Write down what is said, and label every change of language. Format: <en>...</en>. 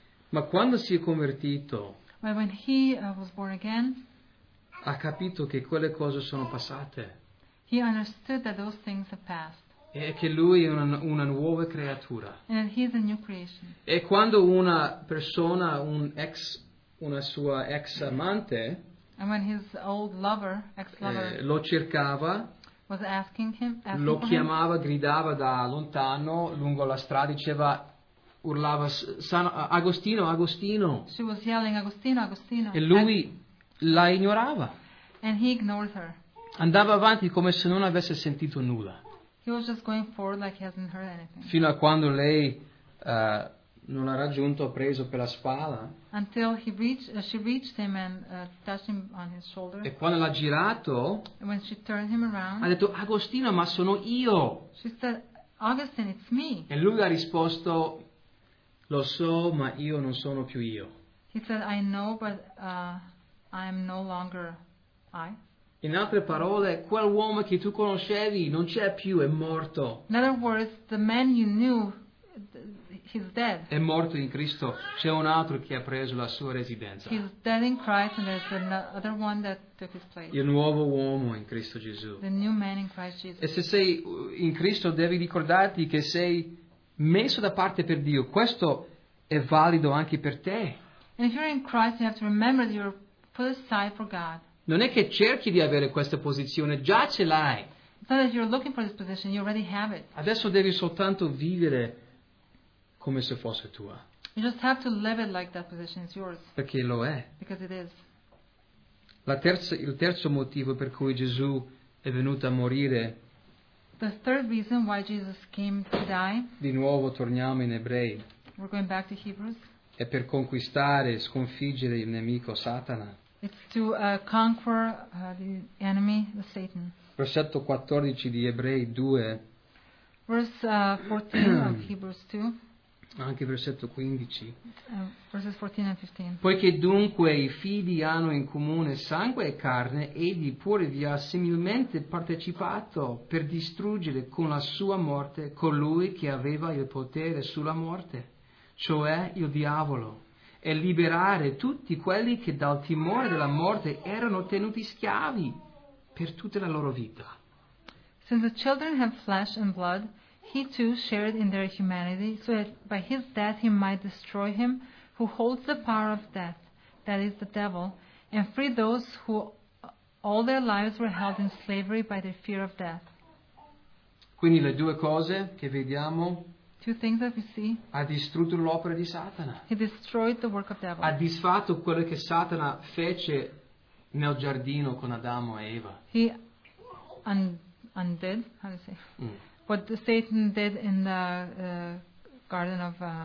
<it>Ma quando si è convertito,</it> <en>when he was born again,</en> <it>ha capito che quelle cose sono passate.</it> <en>He understood that those things have passed.</en> <it>E che lui è una nuova creatura.</it> <en>And he is a new creation.</en> <it>E quando una persona, una sua ex amante,</it> <en>and when his old lover,</en> <it>lo cercava,</it> <en>was asking him,</en> <it>lo chiamava, gridava da lontano, lungo la strada, diceva, urlava, Agostino, Agostino.</it> <en>She was yelling, Agostino, Agostino.</en> <it>E lui la ignorava.</it> <en>And he ignored her.</en> <it>Andava avanti come se non avesse sentito nulla.</it> <en>He was just going forward like he hasn't heard anything.</en> <it>Fino a quando lei non ha raggiunto, preso per la spalla.</it> <en>Until he reached, she reached him and touched him on his shoulder.</en> <it>E quando l'ha girato,</it> <en>and when she turned him around,</en> <it>ha detto, Agostino, ma sono io.</it> <en>She said, Augustine, it's me.</en> <it>E lui ha risposto, lo so, ma io non sono più io.</it> <en>He said, I know, but I am no longer I.</en> <it>In altre parole, quel uomo che tu conoscevi non c'è più, è morto.</it> <en>In other words, the man you knew, he's dead.</en> <it>È morto in Cristo. C'è un altro che ha preso la sua residenza.</it> <en>He's dead in Christ and there's another one that took his place.</en> <it>Il nuovo uomo in Cristo Gesù.</it> <en>The new man in Christ Jesus.</en> <it>E se sei in Cristo, devi ricordarti che sei messo da parte per Dio. Questo è valido anche per te.</it> <en>And if you're in Christ, you have to remember that you're put aside for God.</en> <it>Non è che cerchi di avere questa posizione, già ce l'hai.</it> <en>Not that you're looking for this position, you already have it.</en> <it>Adesso devi soltanto vivere come se fosse tua.</it> <en>You just have to live it like that position is yours.</en> <it>Perché lo è.</it> <en>Because it is.</en> <it>Il terzo motivo per cui Gesù è venuto a morire.</it> <en>The third reason why Jesus came to die.</en> <it>Di nuovo torniamo in Ebrei.</it> <en>We're going back to Hebrews.</en> <it>È per conquistare, sconfiggere il nemico Satana.</it> <en>It's to conquer the enemy, the Satan.</en> <it>Versetto 14 di Ebrei 2.</it> <en>Verse 14 of Hebrews 2.</en> <it>Anche versetto 15.</it> <en>Verses 14 and 15.</en> <it>Poiché dunque i figli hanno in comune sangue e carne, egli pure vi ha similmente partecipato per distruggere con la sua morte colui che aveva il potere sulla morte, cioè il diavolo, e liberare tutti quelli che dal timore della morte erano tenuti schiavi per tutta la loro vita.</it> <en>Since the children have flesh and blood, he too shared in their humanity, so that by his death he might destroy him who holds the power of death, that is the devil, and free those who all their lives were held in slavery by their fear of death.</en> <it>Quindi le due cose che vediamo.</it> <en>Two things that we see.</en> <it>Ha distrutto l'opera di Satana.</it> <en>He destroyed the work of the devil.</en> <it>Ha disfatto quello che Satana fece nel giardino con Adamo e Eva.</it> <en>He undid, how do you say? Mm. What Satan did in the garden of</en>